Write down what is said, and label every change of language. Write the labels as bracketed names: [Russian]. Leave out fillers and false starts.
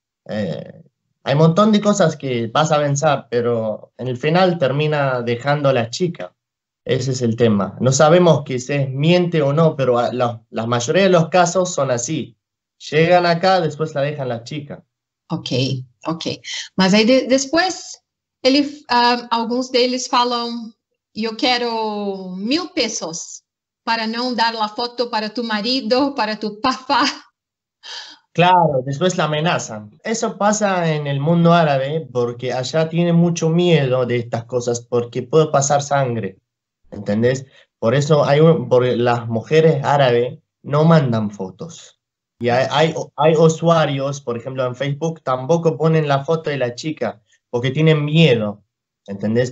[Spanish] Hay un montón de cosas que vas a pensar, pero en el final termina dejando a la chica. Ese es el tema. No sabemos que se miente o no, pero la mayoría de los casos son así. Llegan acá, después la dejan la chica. Okay. [Portuguese] Mas aí depois alguns deles falam, eu quero 1.000 pesos para não dar [Spanish] la foto para tu marido, para tu papá. Claro, después la amenazan. Eso pasa en el mundo árabe porque allá tienen mucho miedo de estas cosas porque puede pasar sangre. ¿Entendés? Por eso porque las mujeres árabes no mandan fotos. Y hay usuarios, por ejemplo, en Facebook, tampoco ponen la foto de la chica porque tienen miedo. ¿Entendés?